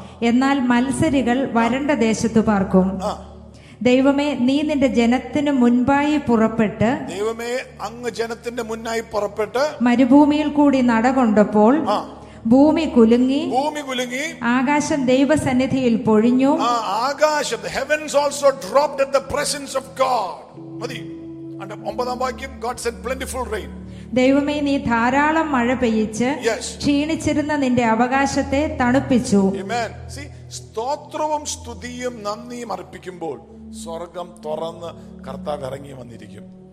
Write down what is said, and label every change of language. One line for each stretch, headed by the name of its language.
Malayalam: എന്നാൽ മത്സരികൾ വരണ്ട ദേശത്തു പാർക്കും. ദൈവമേ നീ നിന്റെ ജനത്തിന് മുൻപായി പുറപ്പെട്ട് ദൈവമേ അങ്ങ് ജനത്തിന്റെ മുന്നായി പുറപ്പെട്ട് മരുഭൂമിയിൽ കൂടി നടകൊണ്ടപ്പോൾ ഭൂമി കുലുങ്ങി ആകാശം ദൈവസന്നിധിയിൽ പൊഴിഞ്ഞു.
English: ആകാശം the heavens also dropped at the presence of God.
Malayalam: അണ്ട 9 വാക്യം
English: God said plentiful rain.
Malayalam: ദൈവമേ നീ ധാരാളം മഴ പെയ്യിച്ച് ക്ഷീണിച്ചിരുന്ന നിന്റെ അവകാശത്തെ തണുപ്പിച്ചു. ആമേൻ. See, സ്തോത്രവും സ്തുതിയും നന്ദിയും അർപ്പിക്കുമ്പോൾ സ്വർഗം തുറന്ന് കർത്താവ് ഇറങ്ങി വന്നിരിക്കും.